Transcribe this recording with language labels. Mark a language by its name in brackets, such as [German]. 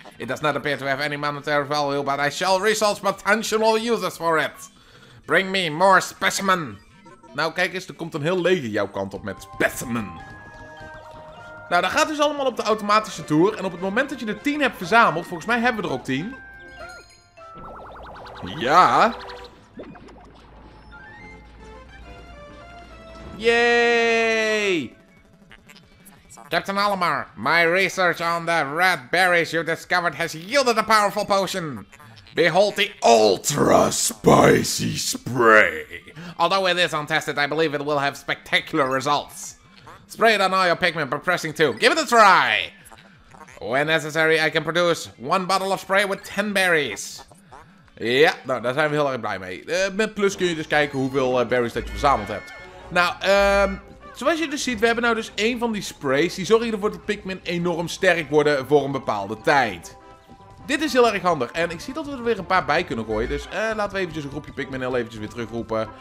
[English] It does not appear to have any monetary value, but I shall resource potential users for it. Bring me more specimen. [Dutch] Nou, kijk eens, er komt een heel leger jouw kant op met specimen. Nou, dat gaat dus allemaal op de automatische tour. En op het moment dat je de 10 hebt verzameld, volgens mij hebben we er ook 10. Ja... Yay! [English] Captain Olimar, my research on the red berries you discovered has yielded a powerful potion. Behold the ultra spicy spray. Although it is untested, I believe it will have spectacular results. Spray it on all your Pikmin by pressing 2. Give it a try! When necessary, I can produce one bottle of spray with 10 berries. [Dutch] Ja, nou, daar zijn we heel erg blij mee. Met plus kun je dus kijken hoeveel berries dat je verzameld hebt. Nou, zoals je dus ziet, we hebben nou dus één van die sprays. Die zorgen ervoor dat Pikmin enorm sterk worden voor een bepaalde tijd. Dit is heel erg handig. En ik zie dat we er weer een paar bij kunnen gooien. Dus laten we eventjes een groepje Pikmin heel eventjes weer terugroepen.